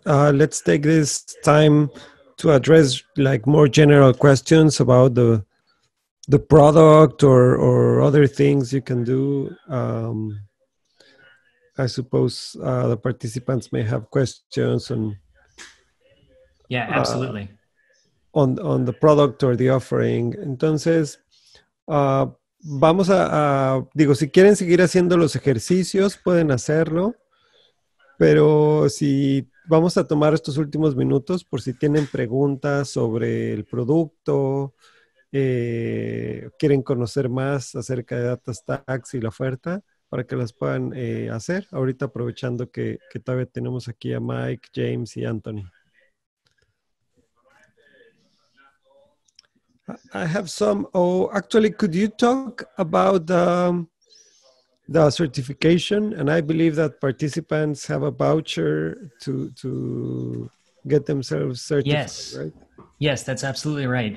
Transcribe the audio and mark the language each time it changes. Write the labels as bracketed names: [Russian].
[English] Let's take this time to address like more general questions about the product or other things you can do. I suppose the participants may have questions on. Yeah, absolutely. On the product or the offering. [Spanish] Entonces, vamos a digo, si quieren seguir haciendo los ejercicios, pueden hacerlo. Pero si vamos a tomar estos últimos minutos por si tienen preguntas sobre el producto, quieren conocer más acerca de DataStax y la oferta, para que las puedan hacer, ahorita aprovechando que todavía tenemos aquí a Mike, James y Anthony. [English] I have some. Oh, actually, could you talk about the certification? And I believe that participants have a voucher to get themselves certified, yes. Right? Yes, that's absolutely right.